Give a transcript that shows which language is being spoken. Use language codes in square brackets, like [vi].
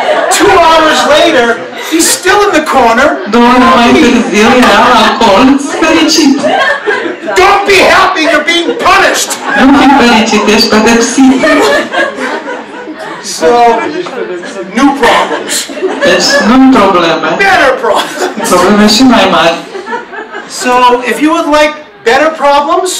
[en] 2 hours later, he's still in the corner. [ro] Două ore mai târziu, era la colț. Fericit. [en] Don't be happy, you're being punished. [ro] Nu fi fericit, ești pedepsit. [en] So, new problems. [ro] Deci, noi probleme. [en] Better problems. [ro] Probleme și mai mari. [en] So, if you would like better problems?